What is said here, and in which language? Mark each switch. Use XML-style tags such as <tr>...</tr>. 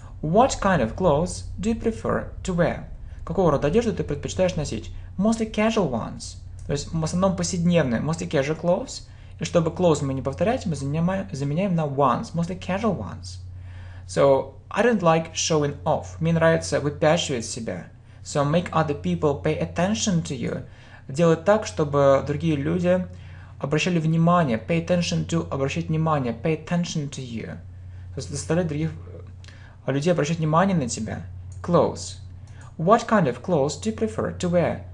<en>What kind of clothes do you prefer to wear?</en> <ru>Какого рода одежду ты предпочитаешь носить?</ru> <en>Mostly casual ones.</en> <ru>То есть в основном повседневные,</ru> <en>mostly casual clothes.</en> <ru>И чтобы clothes мы не повторять, мы заменяем на ones,</ru> <en>mostly casual ones. So, I don't like showing off.</en> <ru>Мне нравится выпячивать себя.</ru> <en>So make other people pay attention to you.</en> <ru>Делать так, чтобы другие люди обращали внимание.</ru> <en>Pay attention to,</en> <ru>обращать внимание.</ru> <en>Pay attention to you.</en> <ru>То есть заставлять других людей обращать внимание на тебя.</ru> <en>Clothes. What kind of clothes do you prefer to wear?</en>